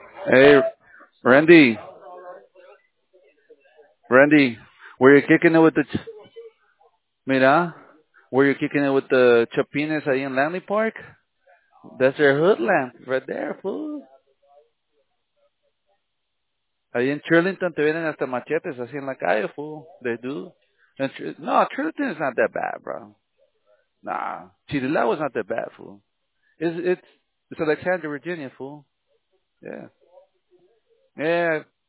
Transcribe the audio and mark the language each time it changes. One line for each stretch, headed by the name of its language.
English: Hey, Randy. Randy, were you kicking it with the... Were you kicking it with the Chapinas ahí in Lanley Park? That's their hoodlum right there, fool.
Spanish: Ahí en Churlington te vienen hasta machetes así en la calle, fool.
English: They do. No, Churlington is not that bad, bro. Nah. Chirilao is not that bad, fool. It's Alexandria, Virginia, fool. Yeah. Yeah.